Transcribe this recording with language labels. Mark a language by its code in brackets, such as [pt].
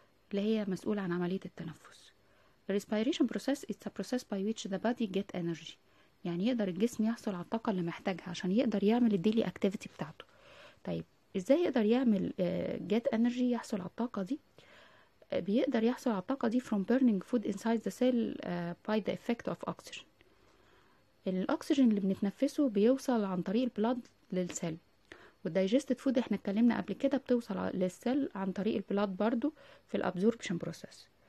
[ar] اللي هي مسؤولة عن عملية التنفس. [en] The respiration process is a process by which the body get energy. [ar] يعني يقدر الجسم يحصل على الطاقة اللي محتاجها عشان يقدر يعمل [en] الديلي اكتيفيتي [ar] بتاعته. طيب ازاي يقدر يعمل [en] get energy [ar] يحصل على الطاقة دي؟ بيقدر يحصل على الطاقة دي [en] from burning food inside the cell by the effect of oxygen. [ar] الاكسجين اللي بنتنفسه بيوصل عن طريق البلاد للسل، [en] والدايجستد فود [ar] احنا اتكلمنا قبل كده بتوصل للسل عن طريق البلاد برضو في [en] الابزوربشن بروسيس.